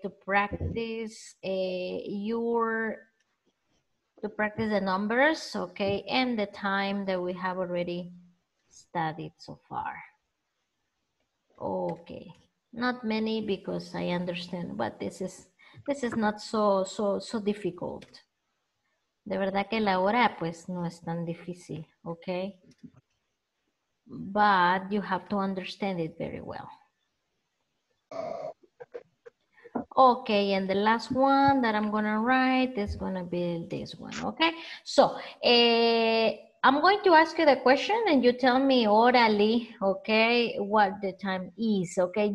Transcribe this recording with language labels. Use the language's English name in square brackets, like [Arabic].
[English] To practice the numbers, okay? And the time that we have already studied so far. Okay. Not many because I understand, but this is not so difficult. [Spanish] De verdad que la hora pues no es tan difícil, okay? [English] But you have to understand it very well. Okay, and the last one that I'm gonna write is gonna be this one, okay? So, I'm going to ask you the question and you tell me orally, okay, what the time is, okay?